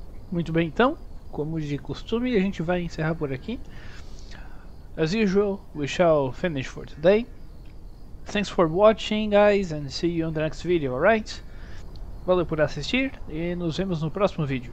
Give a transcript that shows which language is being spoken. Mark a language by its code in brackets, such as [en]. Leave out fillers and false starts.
[pt] Muito bem, então, como de costume, a gente vai encerrar por aqui. [en] As usual, we shall finish for today. Thanks for watching, guys, and see you on the next video, alright? [pt] Valeu por assistir e nos vemos no próximo vídeo.